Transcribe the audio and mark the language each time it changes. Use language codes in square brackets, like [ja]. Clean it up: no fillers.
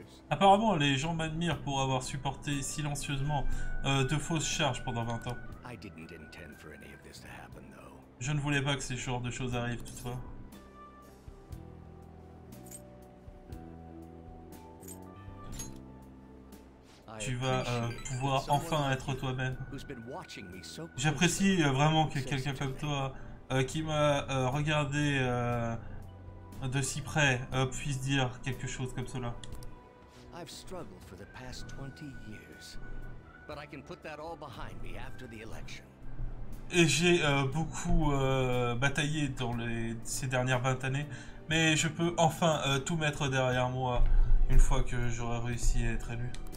[fr] Apparemment, les gens m'admirent pour avoir supporté silencieusement de fausses charges pendant 20 ans. [en] I didn't intend for any of this to happen, though. [fr] Je ne voulais pas que ces genres de choses arrivent toutefois. Tu vas pouvoir enfin être toi-même. J'apprécie vraiment que quelqu'un comme toi qui m'a regardé de si près puisse dire quelque chose comme cela. [en] I've struggled for the past 20 years, but I can put that all behind me after the election. [fr] Et j'ai beaucoup bataillé dans ces dernières 20 années, mais je peux enfin tout mettre derrière moi une fois que j'aurai réussi à être élu.